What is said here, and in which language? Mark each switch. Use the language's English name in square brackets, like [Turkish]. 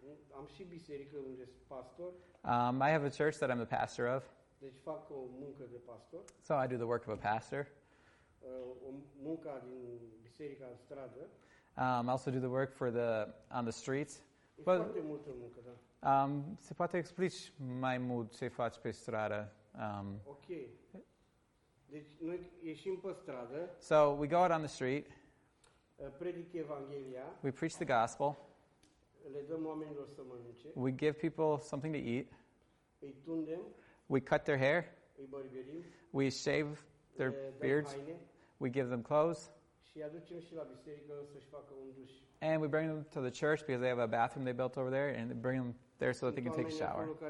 [Romanian] Am și biserică unde sunt pastor. [English] I have a church that I'm the pastor of. [Romanian] Deci fac o muncă de pastor. [English] So I do the work of a pastor. [Romanian] O muncă din biserica în stradă. [English] I also do the work for the on the streets. [Romanian] E foarte multă muncă, da. Se poate explici mai mult ce faci pe stradă. Ok. Deci noi ieșim pe stradă. [English] So we go out on the street. [Romanian] Predic Evanghelia. [English] We preach the gospel. [Romanian] Le dăm oamenilor să mănânce. [English] We give people something to eat. [Romanian] Îi tundem. [English] We cut their hair. [Romanian] Îi bărbierim. [English] We shave their beards. [Romanian] Haine. [English] We give them clothes. [Romanian] Și aducem și la biserică să-și facă un duș. [English] And we bring them to the church because they have a bathroom they built over there, and bring them there so that they can take a shower.